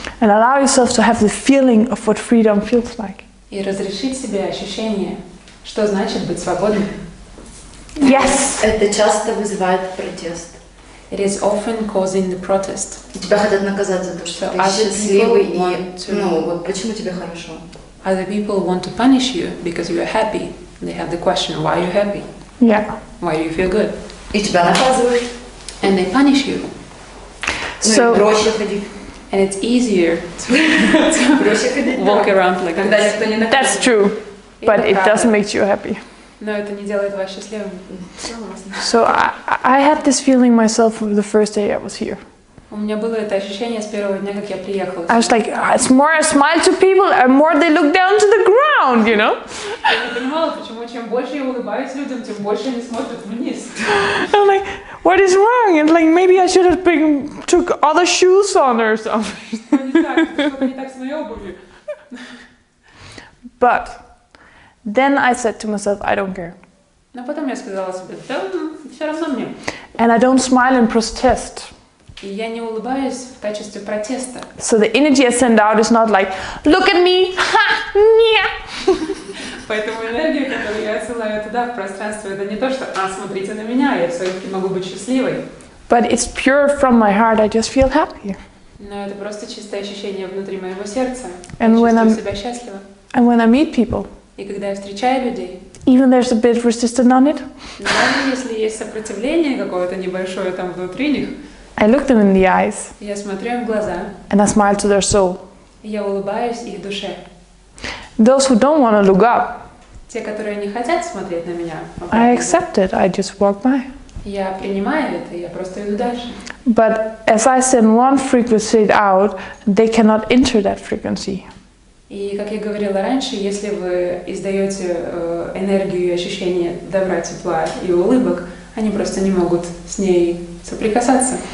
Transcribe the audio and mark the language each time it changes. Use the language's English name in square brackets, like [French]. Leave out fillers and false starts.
[English] And allow yourself to have the feeling of what freedom feels like. [Russian] И разрешить себе ощущение, что значит быть свободным. [English] Yes. [Russian] Это часто вызывает протест. [English] It is often causing the protest. [Russian] Тебя хотят наказать за то, что ты счастливый вот почему тебе хорошо? [English] Other people want to punish you because you are happy. They have the question, why are you happy? Yeah. Why do you feel good? [Russian] И тебя наказывают. [English] And they punish you. So, and it's easier to walk around like this. That's true, but it doesn't make you happy. No, it doesn't make you happy. So I had this feeling myself the first day I was here. [Russian] У меня было это ощущение с первого дня, как я приехала. [English] I was like, it's more I smile to people, and more they look down to the ground, you know? [Russian] Я не понимала, почему чем больше я улыбаюсь людям, тем больше они смотрят вниз. [English] I'm like, what is wrong? And like, maybe I should have took other shoes on or something. But then I said to myself, I don't care. [Russian] Но потом я сказала себе, да, все равно мне. [English] And I don't smile and protest. [Russian] И я не улыбаюсь в качестве протеста. [English] So the energy I send out is not like, look at me, ha, nya. [Russian] Поэтому энергия, которую я отсылаю туда, в пространство, это не то, что, смотрите на меня, я все-таки могу быть счастливой. [English] But it's pure from my heart, I just feel happy. [Russian] Но это просто чистое ощущение внутри моего сердца. [English] And [Russian] я чувствую себя счастливо. [English] And when I meet people. [Russian] И когда я встречаю людей. [English] Even there's a bit of resistance on it. [Russian] Даже если есть сопротивление какое-то небольшое там внутри них. [English] I look them in the eyes. [Russian] Я смотрю им в глаза. [English] And I smile to their soul. [Russian] Я улыбаюсь их душе. [English] Those who don't want to look up. [Russian] Те, которые не хотят смотреть на меня. [English] I accept it. I just walk by. [Russian] Я принимаю это. Я просто иду дальше. [English] But as I send one frequency out, they cannot enter that frequency. [Russian] И как я говорила раньше, если вы издаете энергию и ощущение добра, тепла и улыбок, они просто не могут с ней соприкасаться.